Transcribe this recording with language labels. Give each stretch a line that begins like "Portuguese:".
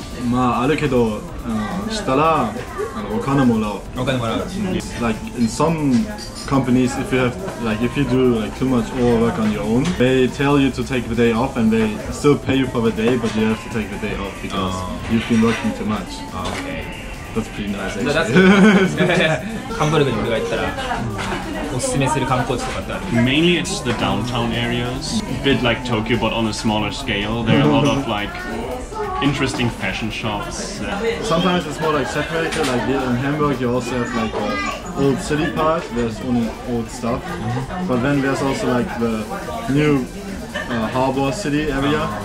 Japanese: まああるけど、したらお金もらう。お金もらう。
English: Like in some companies, if you have like if you do like too much overwork on your own, they tell you to take the day off and they still pay you for the day, but you have to take the day off because you've been working too much. Okay. That's pretty nice. Actually.
Japanese: ハンブルグに俺が行ったら、おすすめする観光地とかってある。
English: Mainly it's the downtown areas, a bit like Tokyo, but on a smaller scale. There are a lot of like. Interesting fashion shops. Sometimes it's more like separated. Like in Hamburg, you also have like the old city part. There's only old stuff. But then there's also like the new harbor city area.